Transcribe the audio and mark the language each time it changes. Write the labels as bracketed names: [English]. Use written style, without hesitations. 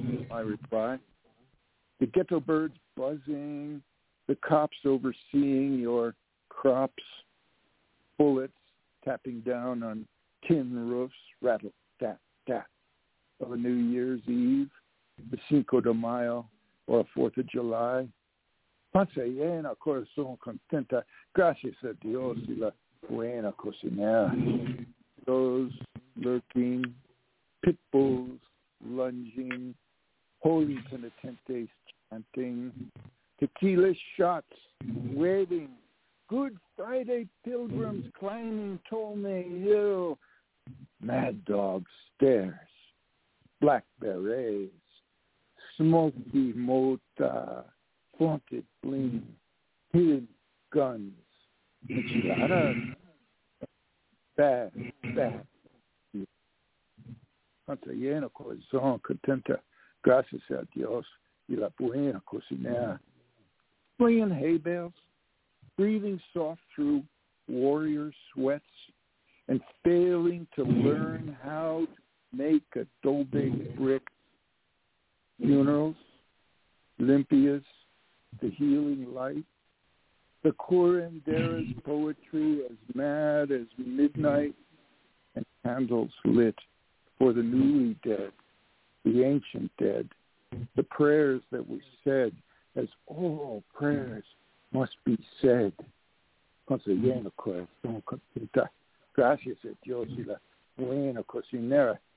[English] I reply. The ghetto birds buzzing, the cops overseeing your crops, bullets tapping down on tin roofs, rattle, tap, tap, of a New Year's Eve, the Cinco de Mayo, or a Fourth of July. [Spanish] Panza llena, corazón contenta, gracias a Dios y la buena cocinera. [English] Those lurking pit bulls lunging, holy penitentes chanting, tequila shots waving, Good Friday pilgrims climbing Tolme Hill, mad dog stares, black berets, smoky mota, flaunted bling, hidden guns, enchiladas, bad, bad. [Spanish] Panza llena, corazón contenta, gracias a Dios y la buena cocinera. [English] Flinging hay bales, breathing soft through warrior sweats, and failing to learn how to make adobe brick. Funerals, limpias, the healing light, the curandera's poetry as mad as midnight, and candles lit for the newly dead, the ancient dead, the prayers that were said, as all prayers must be said. [Spanish] Panza llena, corazón contenta, gracias a Dios y la buena cocinera.